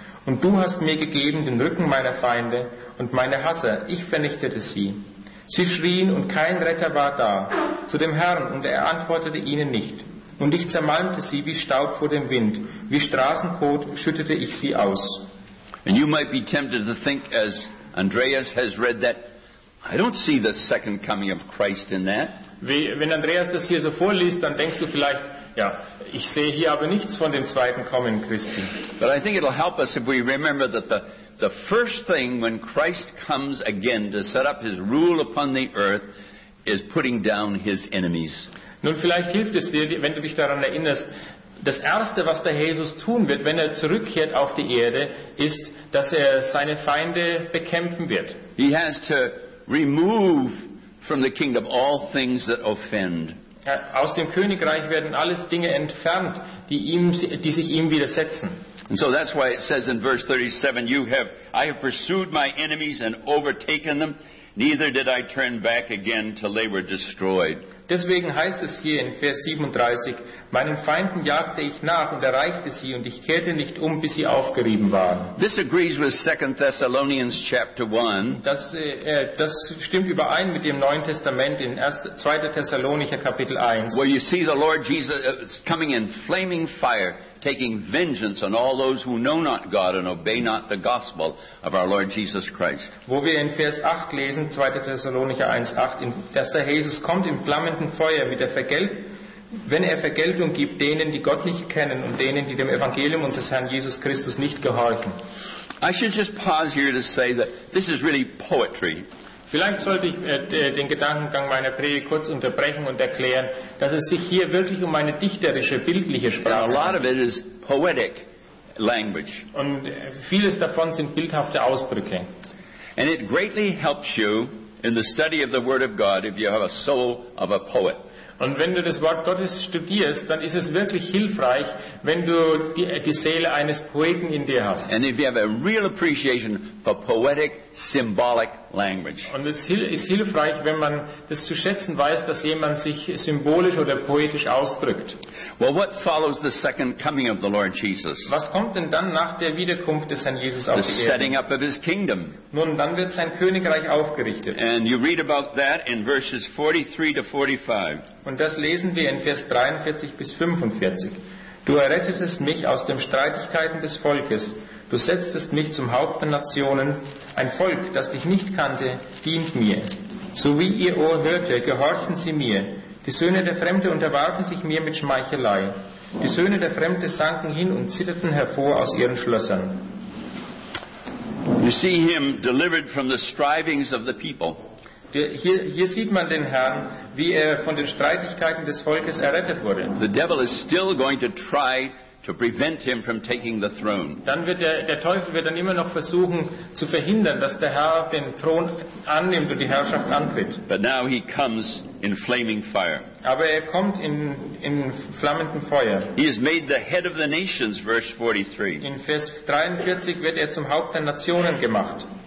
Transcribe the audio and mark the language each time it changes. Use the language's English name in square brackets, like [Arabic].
[German] Und du hast mir gegeben den Rücken meiner Feinde und meine Hasser, ich vernichtete sie. Sie schrien und kein Retter war da zu dem Herrn und er antwortete ihnen nicht. Und ich zermalmte sie wie Staub vor dem Wind, wie Straßenkot schüttete ich sie aus. [English] And you might be tempted to think, as Andreas has read that, I don't see the second coming of Christ in that. [German] Wenn Andreas das hier so vorliest, dann denkst du vielleicht, ja, ich sehe hier aber nichts von dem zweiten Kommen Christi. [English] But I think it'll help us if we remember that the first thing when Christ comes again to set up his rule upon the earth is putting down his enemies. [German] Nun, vielleicht hilft es dir, wenn du dich daran erinnerst, das Erste, was der Jesus tun wird, wenn er zurückkehrt auf die Erde, ist, dass er seine Feinde bekämpfen wird. [English] He has to remove from the kingdom all things that offend. [German] Aus dem Königreich werden alles Dinge entfernt, die sich ihm widersetzen. [English] And so that's why it says in verse 37, I have pursued my enemies and overtaken them, neither did I turn back again till they were destroyed. [German] Deswegen heißt es hier in Vers 37, meinen Feinden jagte ich nach und erreichte sie und ich kehrte nicht um, bis sie aufgerieben waren. [English] This agrees with 2 Thessalonians chapter 1. [German] Das stimmt überein mit dem Neuen Testament in 2. Thessalonicher Kapitel 1. [English] Where you see the Lord Jesus coming in flaming fire, taking vengeance on all those who know not God and obey not the gospel of our Lord Jesus Christ. [German] Wo wir in Vers 8 lesen, 2. Thessalonicher 1:8, dass der Jesus kommt im flammenden Feuer, wenn er Vergeltung gibt denen, die Gott nicht kennen und denen, die dem Evangelium unseres Herrn Jesus Christus nicht gehorchen. [English] I should just pause here to say that this is really poetry. [German] Vielleicht sollte ich den Gedankengang meiner Predigt kurz unterbrechen und erklären, dass es sich hier wirklich um eine dichterische, bildliche Sprache handelt. [English] A lot of it is poetic language. [German] Und vieles davon sind bildhafte Ausdrücke. [English] And it greatly helps you in the study of the Word of God if you have a soul of a poet. [German] Und wenn du das Wort Gottes studierst, dann ist es wirklich hilfreich, wenn du die Seele eines Poeten in dir hast. [English] And if you have a real appreciation for poetic, symbolic language. [German] Und es ist hilfreich, wenn man das zu schätzen weiß, dass jemand sich symbolisch oder poetisch ausdrückt. [English] Well, what follows the second coming of the Lord Jesus? [German] Was kommt denn dann nach der Wiederkunft des Herrn Jesus auf die Erde? [English] The setting up of his kingdom. [German] Nun, dann wird sein Königreich aufgerichtet. [English] And you read about that in verses 43 to 45. [German] Und das lesen wir in Vers 43 bis 45. Du errettetest mich aus den Streitigkeiten des Volkes. Du setztest mich zum Haupt der Nationen. Ein Volk, das dich nicht kannte, dient mir. So wie ihr Ohr hörte, gehorchen sie mir. Die Söhne der Fremde unterwarfen sich mir mit Schmeichelei. Die Söhne der Fremde sanken hin und zitterten hervor aus ihren Schlössern. [English] You see him delivered from the strivings of the people. [German] Hier sieht man den Herrn, wie er von den Streitigkeiten des Volkes errettet wurde. [English] The devil is still going to try to prevent him from taking the throne. [German] Dann wird der Teufel wird dann immer noch versuchen zu verhindern, dass der Herr den Thron annimmt und die Herrschaft antritt. [English] But now he comes in flaming fire. [German] Aber er kommt in flammendem Feuer. [English] He is made the head of the nations, verse 43. [German] In Vers 43 wird er zum Haupt der Nationen gemacht.